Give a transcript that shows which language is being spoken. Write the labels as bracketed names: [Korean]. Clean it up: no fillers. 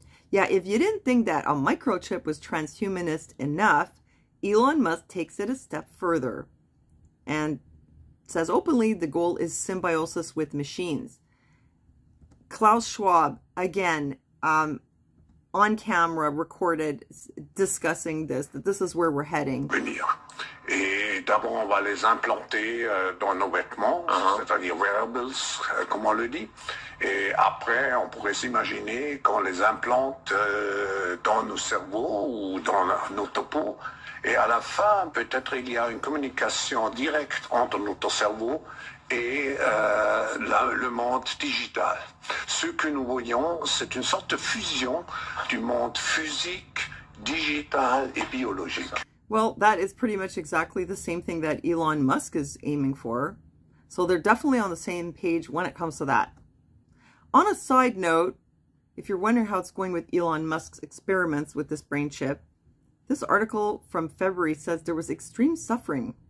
[English] Yeah, if you didn't think that a microchip was transhumanist enough, Elon Musk takes it a step further and says openly the goal is symbiosis with machines. Klaus Schwab, again, on camera, recorded discussing this, that this is where we're heading. [French] Et d'abord, on va les implanter dans nos vêtements, c'est-à-dire wearables, comme on le dit. Et après, on pourrait s'imaginer qu'on les implante dans nos cerveaux ou dans notre peau. Et à la fin, peut-être il y a une communication directe entre notre cerveau et le monde digital. Ce que nous voyons, c'est une sorte de fusion du monde physique, digital et biologique. [English] Well, that is pretty much exactly the same thing that Elon Musk is aiming for. So they're definitely on the same page when it comes to that. On a side note, if you're wondering how it's going with Elon Musk's experiments with this brain chip, this article from February says there was extreme suffering.